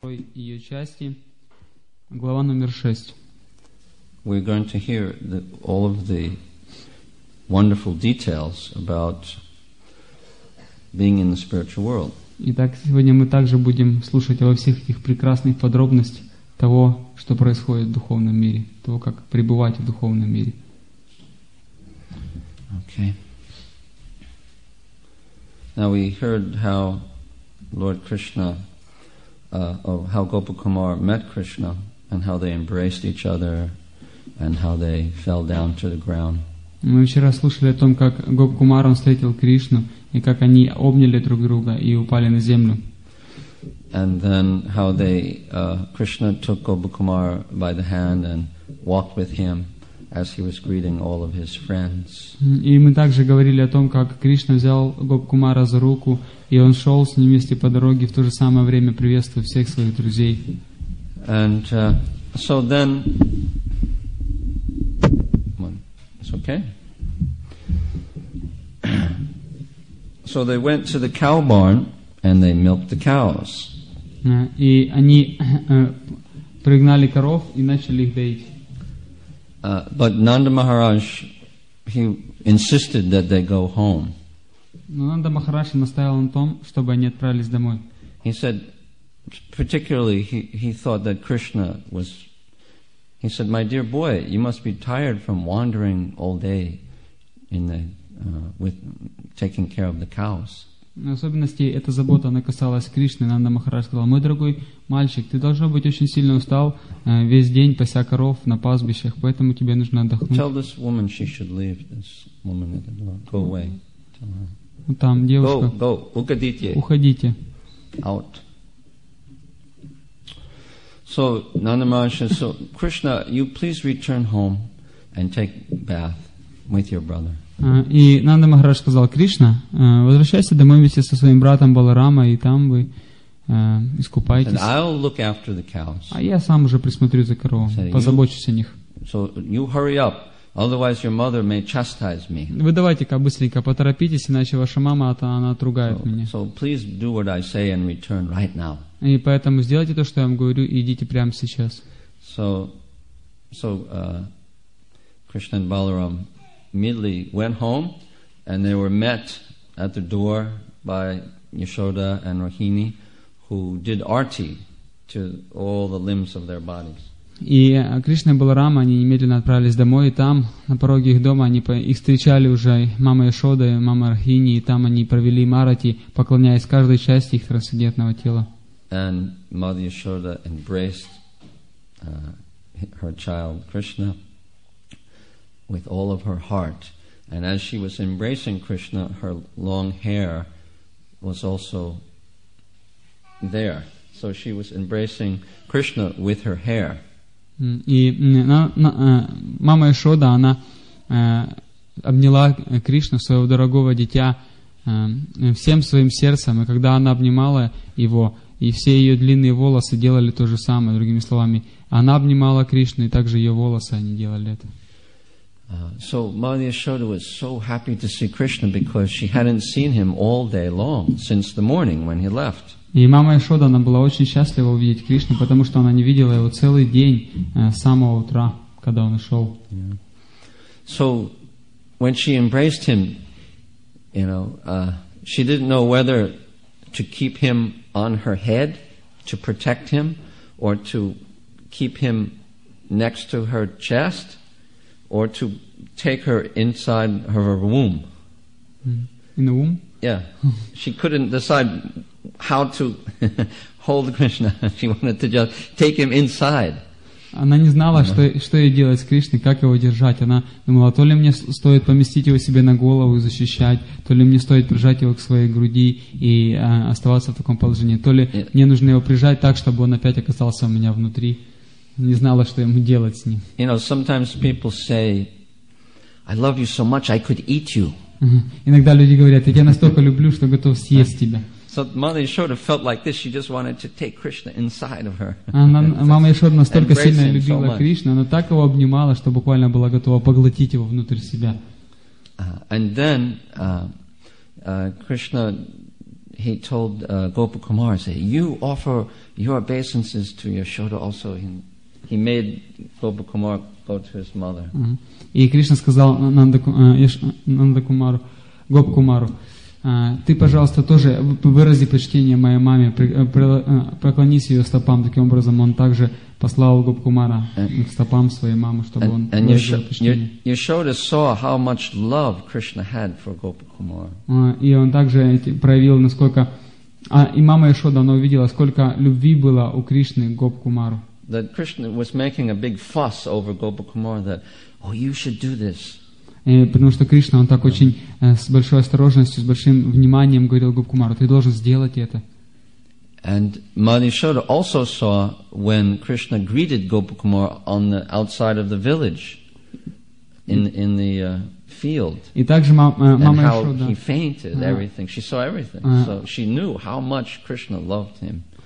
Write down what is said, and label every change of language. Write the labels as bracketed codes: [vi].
[ru] шестой ее части, глава номер шесть. [en] We're going to hear all of the wonderful details about being in the spiritual world. [ru] Итак, сегодня мы также будем слушать обо всех этих прекрасных подробностях того, что происходит в духовном мире, того, как пребывать в духовном мире. [en] Okay. Now we heard how Lord Krishna, how Gopakumar met Krishna, and how they embraced each other, and how they fell down to the ground. [ru] Мы вчера слушали о том, как Гопакумар встретил Кришну, и как они обняли друг друга и упали на землю. [en] And then how they Krishna took Gopakumar by the hand and walked with him as he was greeting all of his friends. [ru] И мы также говорили о том, как Кришна взял Гопакумара за руку, и он шел с ним вместе по дороге, в то же самое время приветствуя всех своих друзей. [en] And so then... Okay. So they went to the cow barn and they milked the cows. [ru] И они пригнали коров и начали их доить. [en] But Nanda Maharaj, he insisted that they go home. [ru] Но Нанда Махарадж настаивал на том, чтобы они отправились домой. [en] He said, particularly he thought that Krishna was. He said, "My dear boy, you must be tired from wandering all day in the with taking care of the cows." [ru] На особенности эта забота она касалась Кришны. Нанда Махарадж сказал: "Мой дорогой мальчик, ты должно быть очень сильно устал весь день пася коров на пастбищах, поэтому тебе нужно отдохнуть." [en] Tell this woman she should leave. This woman, go away. [ru] Там девушка. [en] Go, go, [ru] уходите. Уходите. [en] Out. So Nanda Maharaj says, "So Krishna, you please return home and take bath with your brother." [ru] И Нанда Махарадж сказал: "Кришна, возвращайся домой вместе со своим братом Баларама, и там вы искупаетесь." [en] And I'll look after the cows. [ru] А я сам уже присмотрю за коровами, позабочусь о них. [en] So you hurry up, otherwise your mother may chastise me. [ru] Вы давайте-ка быстренько поторопитесь, иначе ваша мама она отругает меня. [en] So please do what I say and return right now. [ru] И поэтому сделайте то, что я вам говорю, и идите прямо сейчас. [en] So Krishna and Balaram immediately went home, and they were met at the door by Yashoda and Rohini, who did arti to all the limbs of their bodies. [ru] И Кришна и Баларама, они немедленно отправились домой, и там, на пороге их дома, они их встречали уже мама Яшода и мама Рахини, и там они провели марати, поклоняясь каждой части их трансцендентного тела. [en] And Mother Yashoda embraced her child Krishna with all of her heart. And as she was embracing Krishna, her long hair was also there. So she was embracing Krishna with her hair. [ru] И мама Яшода, она обняла Кришну, своего дорогого дитя, всем своим сердцем. И когда она обнимала его, и все ее длинные волосы делали то же самое, другими словами, она обнимала Кришну, и также ее волосы, они делали это. [en] So Mother Yashoda was so happy to see Krishna because she hadn't seen him all day long since the morning when he left. [ru] И мама Яшода, она была очень счастлива увидеть Кришну, потому что она не видела его целый день, с самого утра, когда он ушел. [en] So, when she embraced him, you know, she didn't know whether to keep him on her head, to protect him, or to keep him next to her chest, or to take her inside her womb. In the womb? Yeah. She couldn't decide how to hold Krishna. She wanted to just take him inside. [ru] Она не знала, что ей делать с Кришной, как его держать. Она думала, то ли мне стоит поместить его себе на голову и защищать, то ли мне стоит прижать его к своей груди и оставаться в таком положении, то ли мне нужно его прижать так, чтобы он опять оказался у меня внутри. Не знала, что ему делать с ним. [en] You know, sometimes people say, "I love you so much, I could eat you." [ru] Иногда люди говорят, я тебя настолько люблю, что готов съесть тебя. [en] So Mother Yashoda felt like this. She just wanted to take Krishna inside of her. [ru] Мама Яшода настолько сильно любила Кришну, она так его обнимала, что буквально была готова поглотить его внутрь себя. [en] And then Krishna, he told Gopakumar, say, you offer your obeisances to Yashoda also. He made Gopakumar go to his mother. [ru] И Кришна сказал Нандакумару, Гопакумару, ты, пожалуйста, тоже вырази почтение моей маме, преклонись ее стопам. Таким образом, он также послал Гопакумара к стопам своей мамы, чтобы он выразил почтение. [en] Yashoda saw how much love Krishna had for Gopakumara. [ru] И он также проявил, насколько... и мама Яшода, она увидела, сколько любви было у Кришны к Гопакумару. [en] That Krishna was making a big fuss over Gopakumara, that, oh, you should do this. [ru] Потому что Кришна, он так очень с большой осторожностью, с большим вниманием говорил Гопакумару, ты должен сделать это. [en] And Mother Yashoda also saw when Krishna greeted Gopakumara on the outside of the village, in the field. [ru] И также мама [en] Yashoda. And how he fainted, everything. She saw everything. So she knew how much Krishna loved him.